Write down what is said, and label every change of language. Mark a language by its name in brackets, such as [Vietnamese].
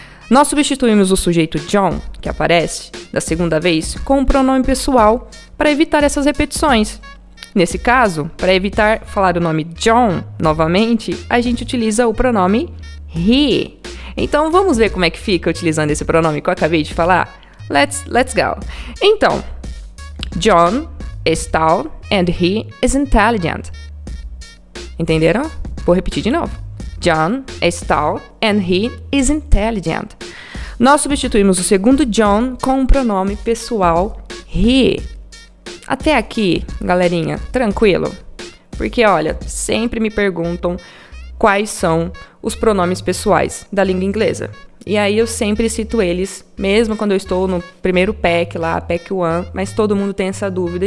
[Portuguese] Nós substituímos o sujeito John, que aparece da segunda vez, com um pronome pessoal para evitar essas repetições. Nesse caso, para evitar falar o nome John novamente, a gente utiliza o pronome he. Então, vamos ver como é que fica utilizando esse pronome que eu acabei de falar? [English] Let's go. [Portuguese] Então, [English] John is tall and he is intelligent. [Portuguese] Entenderam? Vou repetir de novo. [English] John is tall and he is intelligent. [Portuguese] Nós substituímos o segundo John com um pronome pessoal he. Até aqui, galerinha, tranquilo? Porque, olha, sempre me perguntam quais são os pronomes pessoais da língua inglesa. E aí eu sempre cito eles, mesmo quando eu estou no primeiro pack lá, pack 1, mas todo mundo tem essa dúvida.